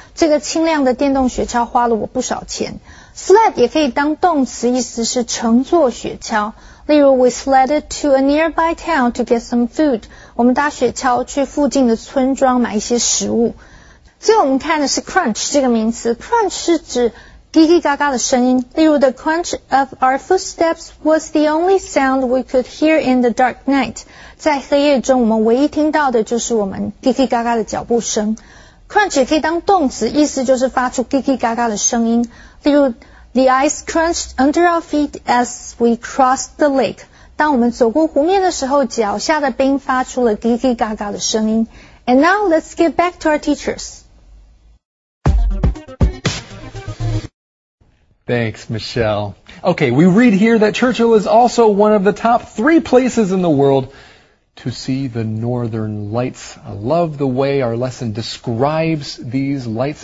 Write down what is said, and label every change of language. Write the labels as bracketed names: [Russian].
[Chinese] 这个轻量的电动雪橇花了我不少钱。 Sled 也可以当动词，意思是乘坐雪橇。 [English] 例如 We sledded to a nearby town to get some food. [Chinese] 我们搭雪橇去附近的村庄买一些食物。最后我们看的是 crunch 这个名词。Crunch 是指叽叽嘎嘎的声音。 [English] 例如 The crunch of our footsteps was the only sound we could hear in the dark night. [Chinese] 在黑夜中我们唯一听到的就是我们叽叽嘎嘎的脚步声。 Crunch 也可以当动词，意思就是发出叽叽嘎嘎的声音。 [English] 例如 The ice crunched under our feet as we crossed the lake. [Chinese] 当我们走过湖面的时候，脚下的冰发出了叽叽嘎嘎的声音。 [English] And now let's get back to our teachers. Thanks, Michelle. Okay, we read here that Churchill is also one of the top three places in the world to see the Northern Lights. I love the way our lesson describes these lights.